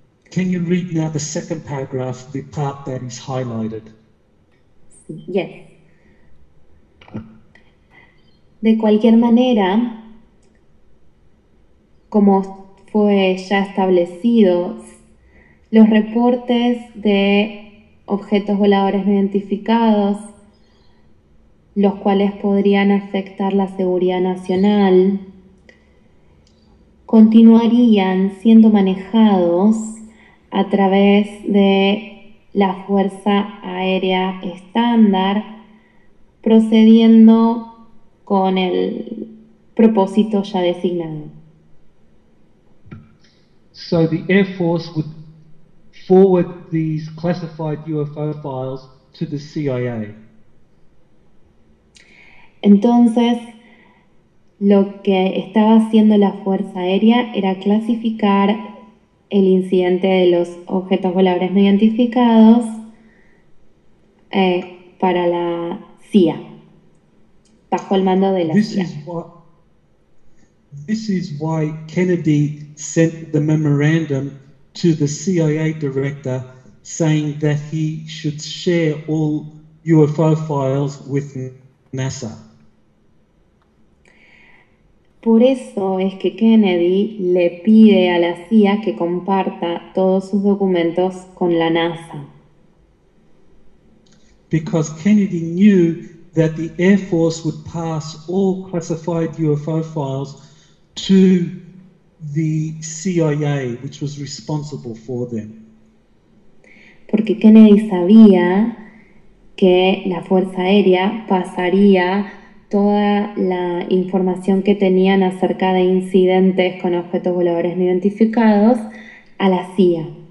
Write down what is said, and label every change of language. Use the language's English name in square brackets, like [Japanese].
[English] Can you read now the second paragraph, the part that is highlighted? Yes. [Spanish] De cualquier manera, como fue ya establecido, los reportes de objetos voladores no identificados, los cuales podrían afectar la seguridad nacional, continuarían siendo manejados a través de la Fuerza Aérea Estándar, procediendo con el propósito ya designado. [English] So the Air Force would forward these classified UFO files to the CIA. [Spanish] Entonces, lo que estaba haciendo la Fuerza Aérea era clasificar el incidente de los objetos voladores no identificados para la CIA, bajo el mando de la CIA. [English] This is why Kennedy sent the memorandum to the CIA director saying that he should share all UFO files with NASA. [Spanish] Por eso es que Kennedy le pide a la CIA que comparta todos sus documentos con la NASA. [English] Because Kennedy knew that the Air Force would pass all classified UFO files to the CIA, which was responsible for them. [Spanish] Porque Kennedy sabía que la Fuerza Aérea pasaría toda la información que tenían acerca de incidentes con objetos voladores no identificados a la CIA.